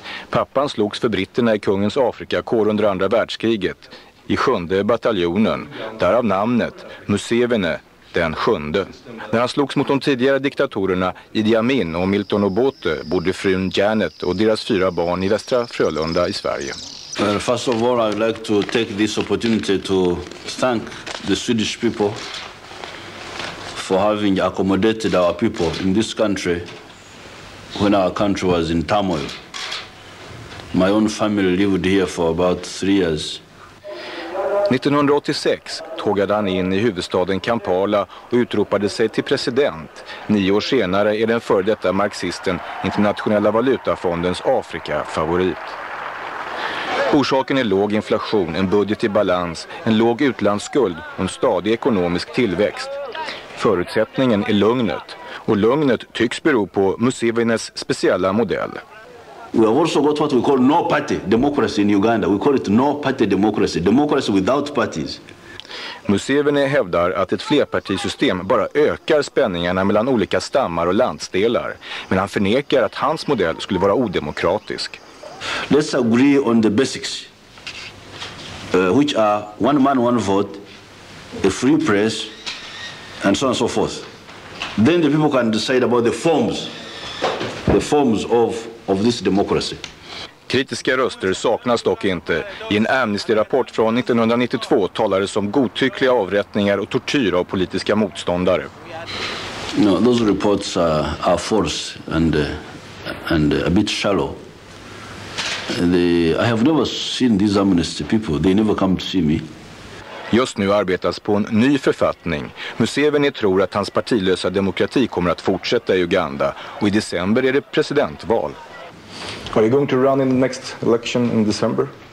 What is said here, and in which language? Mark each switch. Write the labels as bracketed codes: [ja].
[sv] Pappan slogs för britterna i kungens Afrikakår under andra världskriget, i 7:e bataljonen, därav namnet Museveni den 7:e. När han slogs mot de tidigare diktatorerna Idi Amin och Milton Obote bodde frun Janet och deras 4 barn i Västra Frölunda i Sverige. [en] First of all, I'd like to take this opportunity to thank the Swedish people for having accommodated our people in this country when our country was in turmoil. My own family lived here for about 3 years. [sv] 1986 tågade han in i huvudstaden Kampala och utropade sig till president. 9 år senare är den före detta marxisten Internationella valutafondens Afrika-favorit. Orsaken är låg inflation, en budget i balans, en låg utlandsskuld och en stadig ekonomisk tillväxt. Förutsättningen är lugnet, och lugnet tycks bero på Musevenis speciella modell. [en] We have also got what we call no party democracy in Uganda. We call it no party democracy, democracy without parties. [sv] Museveni hävdar att ett flerpartisystem bara ökar spänningarna mellan olika stammar och landsdelar, men han förnekar att hans modell skulle vara odemokratisk. [en] Let's agree on the basics, which are one man, one vote, a free press, and so on and so forth. Then the people can decide about the forms of this democracy. [sv] Kritiska röster saknas dock inte. I en Amnesty-rapport från 1992 talades om godtyckliga avrättningar och tortyr av politiska motståndare. [en] No, those reports are false and a bit shallow. I have never seen these Amnesty people. They never come to see me. [sv] Just nu arbetas på en ny författning. Museveni tror att hans partilösa demokrati kommer att fortsätta i Uganda, och i december är det presidentval. [en] Are you going to run in the next election in December?